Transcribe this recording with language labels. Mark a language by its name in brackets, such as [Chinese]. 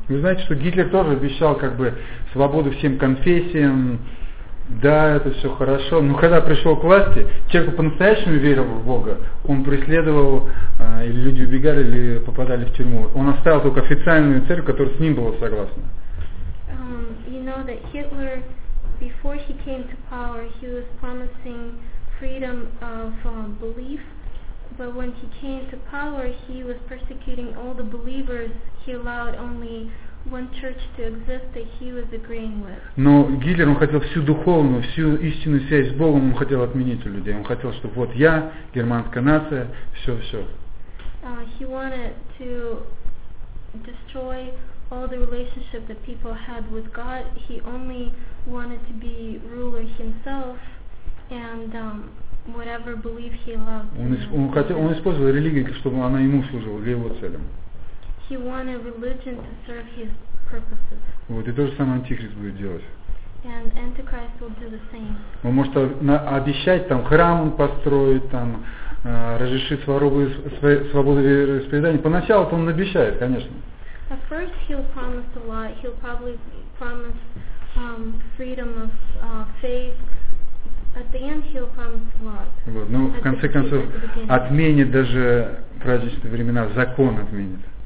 [Russian] Вы знаете, что Гитлер тоже обещал как бы свободу всем конфессиям. Да, это все хорошо. Но когда пришел к власти, человек по-настоящему верил в Бога, он преследовал, или люди убегали, или попадали в тюрьму. Он оставил только официальную церковь, которая с ним была согласна. [English] You know that Hitler, before he came to power, he was promising freedom of belief, but when he came to power, he was persecuting all the believers. He allowed only want church to exist that he was agreeing with. [Russian] Но Гитлер, он хотел всю духовную, всю истинную связь с Богом, он хотел отменить у людей. Он хотел, чтобы вот я, германская нация, все, все. [English] He wanted to destroy all the relationship that people had with God. He only wanted to be ruler himself and whatever belief he loved. [Russian] Он использовал религию, чтобы она ему служила, для его целям. [English] He wanted religion to serve his purposes. [Russian] Вот, и то же самое Антихрист будет делать. [English] And Antichrist will do the same. [Russian] Он может обещать там храм построить, там разрешить свободу вероисповедания. Поначалу он обещает, конечно. [English] At first he'll promise a lot. He'll probably promise freedom of faith. At the end he'll promise a lot. [Russian] Вот, ну, в конце концов, отменит даже праздничные времена, закон отменит.